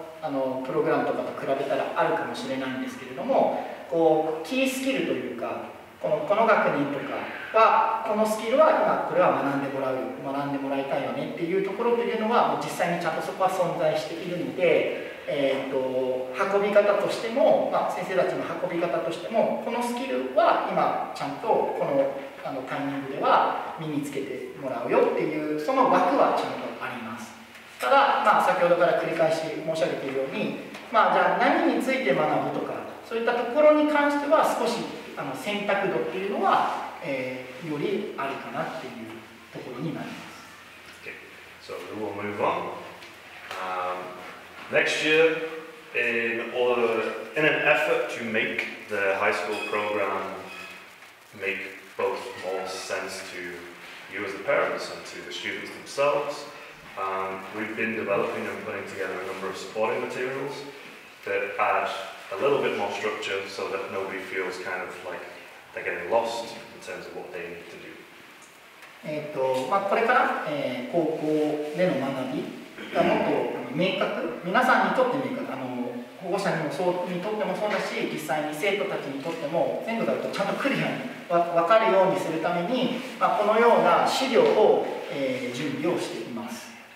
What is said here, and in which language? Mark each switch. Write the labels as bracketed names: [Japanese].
[Japanese] のプログラムとかと比べたらあるかもしれないんですけれども、こうキースキルというか、この学年とかはこのスキルは今これは学んでもらう学んでもらいたいよねっていうところというのは実際にちゃんとそこは存在しているので、運び方としても、まあ、先生たちの運び方としてもこのスキルは今ちゃんとこのタイミングでは身につけてもらうよっていうその枠はちゃんとあります。ただ、まあ、先ほどから繰り返し申し上げているように、まあ、じゃあ何について学ぶとかそういったところに関しては少し選択度っていうのは、よりあるかなっていうところになります。 [English] Okay, so we will move on. Next year, in an effort to make the high school program make both more sense to you as the parents and to the students themselves, we've been developing and putting together a number of supporting materials that add. A little bit more structure so that nobody feels kind of like they're getting lost in terms of what they need to do. [Japanese] まあ、これから、高校での学びがもっと明確、皆さんにとって明確、保護者 にとってもそうだし、実際に生徒たちにとっても全部だとちゃんとクリアに分かるようにするために、まあ、このような資料を、準備をしています。